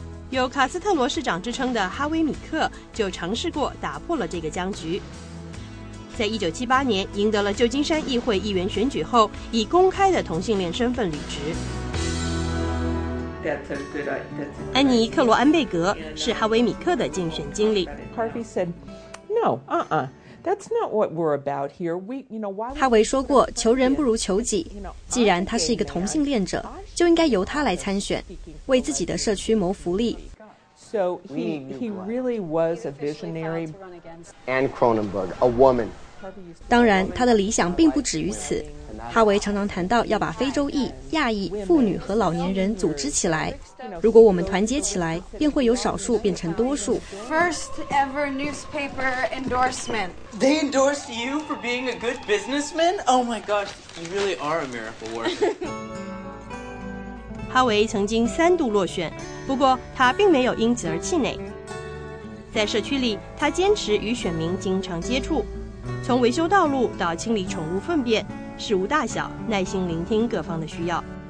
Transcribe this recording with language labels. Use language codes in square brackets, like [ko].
[zh] 有卡斯特罗市长之称的哈维米克就尝试过打破了这个僵局。在1978年赢得了旧金山议会议员选举后，以公开的同性恋身份履职。安妮·克罗安贝格是哈维米克的竞选经理。 [en] Harvey said, "No, that's not what we're about here. We, you know, why?" [zh] 哈维说过：“求人不如求己。既然他是一个同性恋者，就应该由他来参选，为自己的社区谋福利。” [en] So he really was a visionary. Ann Cronenberg, a woman. [zh] 当然，他的理想并不止于此。哈维常常谈到要把非洲裔、亚裔、妇女和老年人组织起来。如果我们团结起来，便会由少数变成多数。 [en] First ever newspaper endorsement. They endorsed you for being a good businessman? Oh my gosh, you really are a miracle worker. [zh] 哈维曾经三度落选，不过他并没有因此而气馁。在社区里，他坚持与选民经常接触，从维修道路到清理宠物粪便，事无大小，耐心聆听各方的需要。